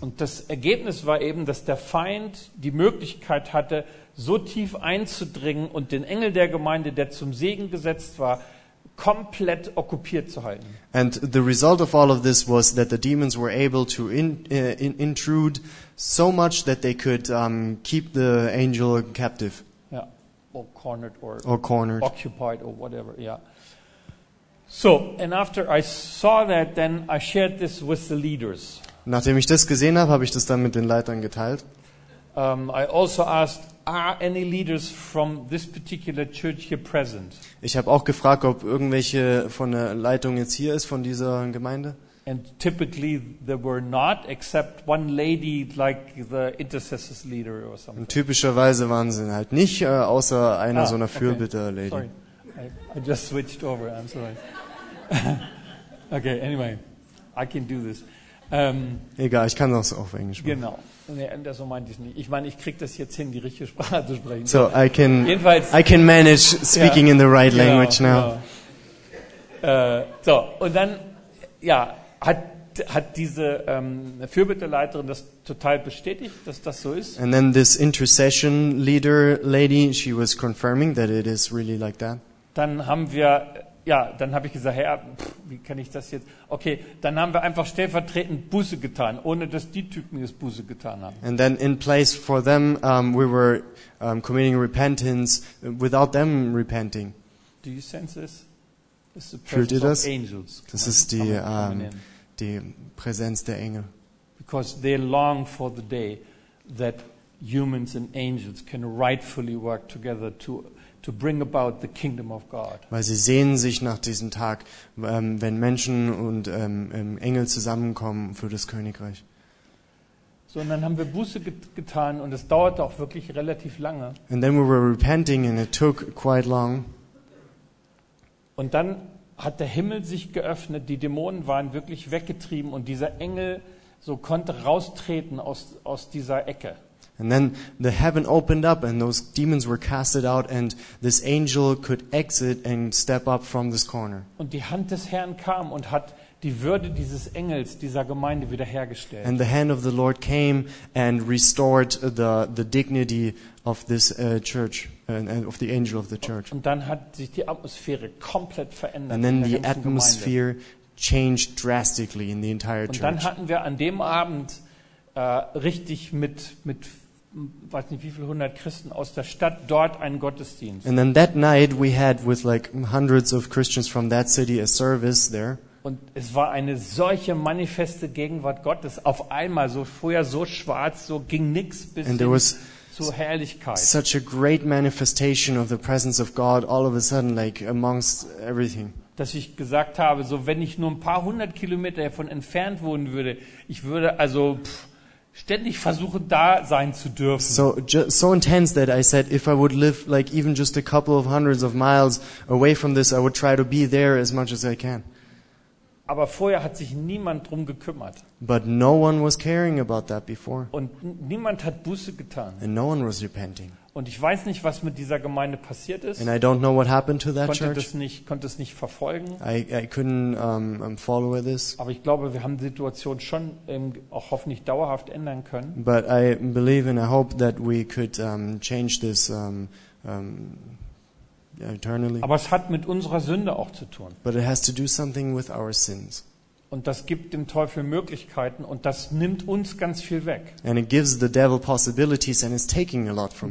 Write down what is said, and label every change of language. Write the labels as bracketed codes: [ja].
[de] Und das Ergebnis war eben, dass der Feind die Möglichkeit hatte, so tief einzudringen und den Engel der Gemeinde, der zum Segen gesetzt war, komplett okkupiert zu halten. [en] And the result of all of this was that the demons were able to intrude so much that they could keep the angel captive. Yeah. Or cornered or cornered. Occupied or whatever, yeah. So, and after I saw that, then I shared this with the leaders. [de] Nachdem ich das gesehen habe, habe ich das dann mit den Leitern geteilt. [en] I also asked, are any leaders from this particular church here present? [de] Ich habe auch gefragt, ob irgendwelche von der Leitung jetzt hier ist von dieser Gemeinde. [en] And typically there were not, except one lady like the intercessors leader or something. [de] Und typischerweise waren sie halt nicht, außer einer so einer Fürbitter-Lady. [en] Sorry, I just switched over. I'm sorry. Okay, anyway, I can do this. [de] Egal, ich kann das auf Englisch machen. Genau. Nee, das so meinte ich nicht. Ich meine, ich kriege das jetzt hin, die richtige Sprache zu sprechen. [en] So, I can manage speaking in the right language now. [de] So, und dann hat diese Fürbitterleiterin das total bestätigt, dass das so ist. [en] And then this intercession leader lady, she was confirming that it is really like that. [de] Dann haben wir dann habe ich gesagt, Herr, wie kann ich das jetzt? Okay, dann haben wir einfach stellvertretend Buße getan, ohne dass die Typen jetzt Buße getan haben. [en] And then in place for them, we were committing repentance without them repenting. Do you sense this? This is the presence of angels. [de] Das ist die Präsenz der Engel. [en] Because they long for the day that humans and angels can rightfully work together to bring about the kingdom of God. [de] Weil sie sehen sich nach diesem Tag, wenn Menschen und Engel zusammenkommen für das Königreich. So, und dann haben wir Buße getan und es dauerte auch wirklich relativ lange. [en] And then we were repenting and it took quite long. [de] Und dann hat der Himmel sich geöffnet, die Dämonen waren wirklich weggetrieben und dieser Engel so konnte raustreten aus dieser Ecke. [en] And then the heaven opened up and those demons were casted out and this angel could exit and step up from this corner. [de] Und die Hand des Herrn kam und hat die Würde dieses Engels dieser Gemeinde wiederhergestellt. [en] And the hand of the Lord came and restored the dignity of this church and of the angel of the church. [de] Und dann hat sich die Atmosphäre komplett verändert. [en] And then the atmosphere changed drastically in the entire church. [de] Und dann hatten wir an dem Abend richtig mit weiß nicht wie viel 100 Christen aus der Stadt dort einen Gottesdienst. [en] And then that night we had with like hundreds of Christians from that city a service there. [de] Und es war eine solche manifeste Gegenwart Gottes. Auf einmal, so vorher so schwarz, so ging nichts bis hin zur Herrlichkeit. [en] Such a great manifestation of the presence of God all of a sudden, like amongst everything. [de] Dass ich gesagt habe, so wenn ich nur ein paar hundert Kilometer davon entfernt wohnen würde, ich würde also ständig versuchen, da sein zu dürfen. [en] So intense that I said, if I would live like even just a couple of hundreds of miles away from this, I would try to be there as much as I can. [de] Aber vorher hat sich niemand drum gekümmert. [en] But no one was caring about that before. [de] Und niemand hat Buße getan. [en] And no one was repenting. [de] Und ich weiß nicht, was mit dieser Gemeinde passiert ist. [en] And I don't know what happened to that church. [de] Konnte es nicht verfolgen. [en] I couldn't follow this. [de] Aber ich glaube, wir haben die Situation schon auch hoffentlich dauerhaft ändern können. [en] But I believe and I hope that we could change this eternally. [de] Aber es hat mit unserer Sünde auch zu tun. [en] But it has to do something with our sins. [de] Und das gibt dem Teufel Möglichkeiten und das nimmt uns ganz viel weg. [en] And it gives the devil possibilities and it's taking a lot from